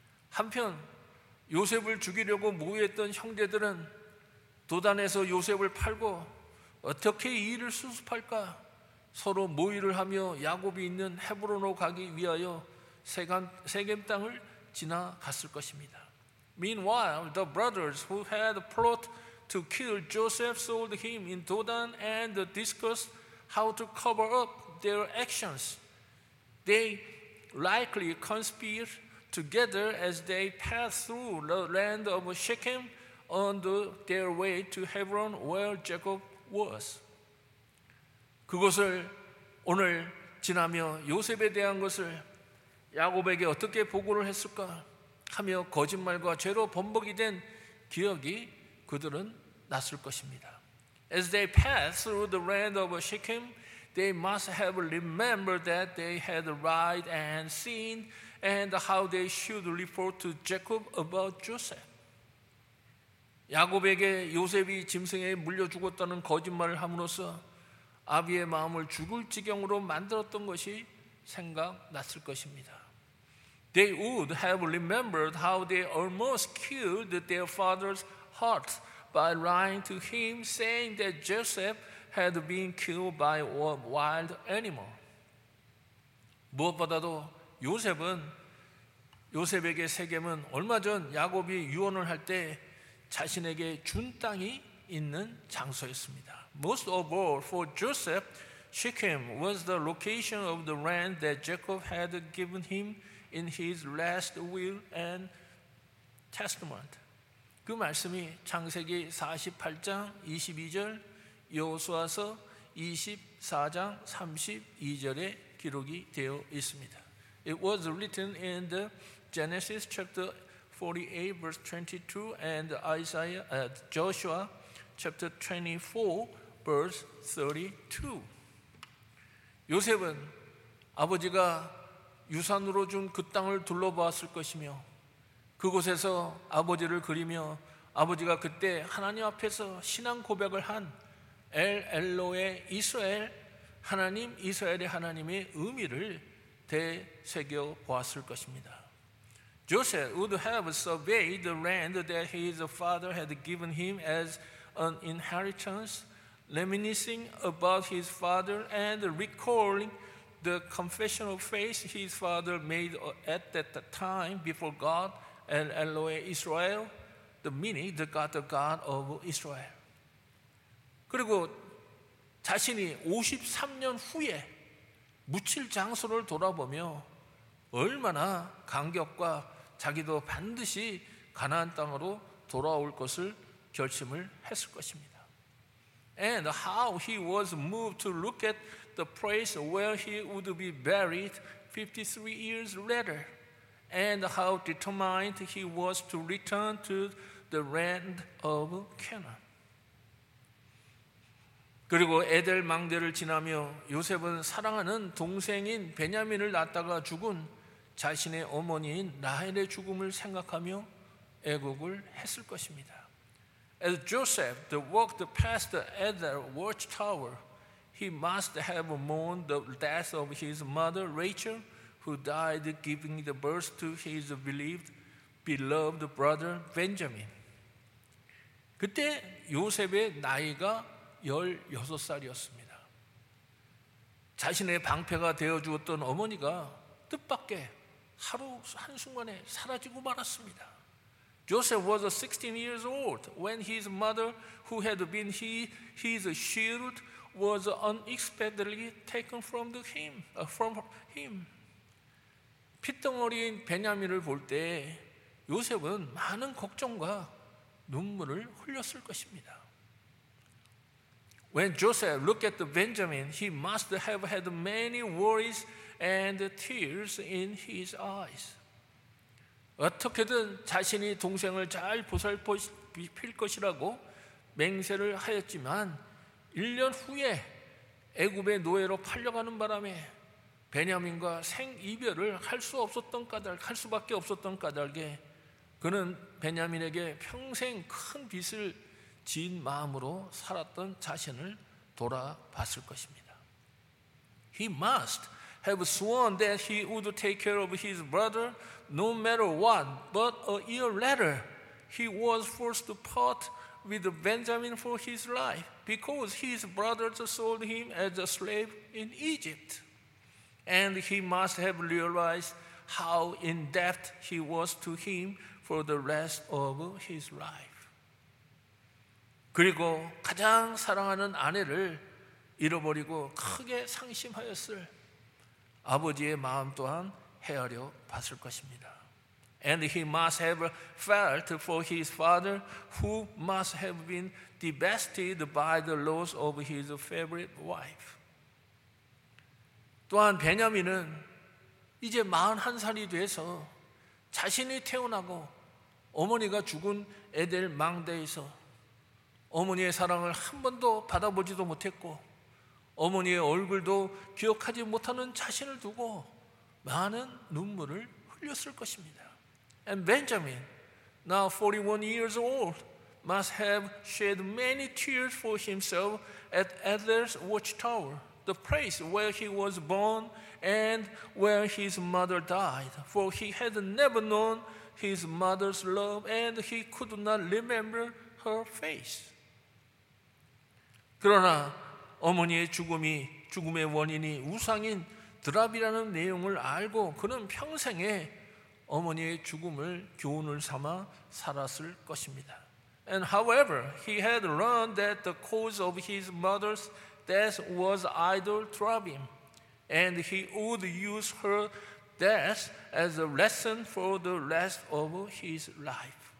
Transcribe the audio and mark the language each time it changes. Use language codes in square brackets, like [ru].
[ko] 한편, 요셉을 죽이려고 모의했던 형제들은 도단에서 요셉을 팔고 어떻게 이를 수습할까? 서로 모의를 하며 야곱이 있는 헤브론으로 가기 위하여 세겜 땅을 지나갔을 것입니다. [en] Meanwhile, the brothers who had plot to kill Joseph sold him in Dothan and discussed how to cover up their actions. They likely conspired together as they passed through the land of Shechem on their way to Hebron where Jacob was. [ko] 그것을 오늘 지나며 요셉에 대한 것을 야곱에게 어떻게 보고를 했을까? 하며 거짓말과 죄로 범벅이 된 기억이 그들은 났을 것입니다. [en] As they passed through the land of Shechem, they must have remembered that they had lied and sinned and how they should report to Jacob about Joseph. [ko] 야곱에게 요셉이 짐승에 물려 죽었다는 거짓말을 함으로써 아비의 마음을 죽을 지경으로 만들었던 것이 생각났을 것입니다. [en] They would have remembered how they almost killed their father's heart by lying to him, saying that Joseph had been killed by a wild animal. [ko] 무엇보다도 요셉은 요셉에게 세겜은 얼마 전 야곱이 유언을 할 때 자신에게 준 땅이 있는 장소였습니다. [en] Most of all, for Joseph, Shechem was the location of the land that Jacob had given him in his last will and testament. [ko] 그 말씀이 창세기 48장 22절, 여호수아서 24장 32절에 기록이 되어 있습니다. [en] It was written in the Genesis chapter 48 verse 22 and Isaiah at Joshua chapter 24 verse 32. [ko] 요셉은 아버지가 유산으로 준 그 땅을 둘러보았을 것이며 그곳에서 아버지를 그리며 아버지가 그때 하나님 앞에서 신앙 고백을 한 엘 엘로의 이스라엘 하나님 이스라엘의 하나님의 의미를 되새겨 보았을 것입니다. [en] Joseph would have surveyed the land that his father had given him as an inheritance, reminiscing about his father and recalling the confession of faith his father made at that time before God and Eloi Israel, the meaning the God of Israel. [ko] 그리고 자신이 53년 후에 묻힐 장소를 돌아보며 얼마나 감격과 자기도 반드시 가나안 땅으로 돌아올 것을 결심을 했을 것입니다. [en] And how he was moved to look at the place where he would be buried 53 years later, and how determined he was to return to the land of Canaan. [ko] 그리고 에델 망대를 지나며 요셉은 사랑하는 동생인 베냐민을 낳다가 죽은 자신의 어머니인 라헬의 죽음을 생각하며 애곡을 했을 것입니다. [en] As Joseph walked past the Eder watchtower, he must have mourned the death of his mother, Rachel, who died giving the birth to his beloved brother, Benjamin. [ko] 그때 요셉의 나이가 16살이었습니다. 자신의 방패가 되어 주었던 어머니가 뜻밖의 하루 한순간에 사라지고 말았습니다. [en] Joseph was 16 years old when his mother, who had been his shield, was unexpectedly taken from the him, from him. [ko] 핏덩어리인 베냐민을 볼 때 요셉은 많은 걱정과 눈물을 흘렸을 것입니다. [en] When Joseph looked at the Benjamin, he must have had many worries and tears in his eyes. [ko] 어떻게든 자신이 동생을 잘 보살필 것이라고 맹세를 하였지만 1년 후에 애굽의 노예로 팔려가는 바람에 베냐민과 생이별을 할 수 없었던 까닭, 할 수밖에 없었던 까닭에 그는 베냐민에게 평생 큰 빚을 진 마음으로 살았던 자신을 돌아봤을 것입니다. [en] He must have sworn that he would take care of his brother no matter what, but a year later, he was forced to part with Benjamin for his life because his brothers sold him as a slave in Egypt. And he must have realized how in debt he was to him for the rest of his life. [ko] 그리고 가장 사랑하는 아내를 잃어버리고 크게 상심하였을 아버지의 마음 또한 헤아려 봤을 것입니다. [en] And he must have felt for his father who must have been devastated by the loss of his favorite wife. [ko] 또한 베냐민은 이제 41살이 돼서 자신이 태어나고 어머니가 죽은 에델 망대에서 어머니의 사랑을 한 번도 받아보지도 못했고 어머니의 얼굴도 기억하지 못하는 자신을 두고 많은 눈물을 흘렸을 것입니다. [en] And Benjamin, now 41 years old, must have shed many tears for himself at Adler's Watchtower, the place where he was born and where his mother died, for he had never known his mother's love and he could not remember her face. [ko] 그러나 어머니의 죽음이 죽음의 원인이 우상인 드랍이라는 내용을 알고 그는 평생에 어머니의 죽음을 교훈을 삼아 살았을 것입니다. [en] And however, he had learned that the cause of his mother's death was idol drabim, and he would use her death as a lesson for the rest of his life.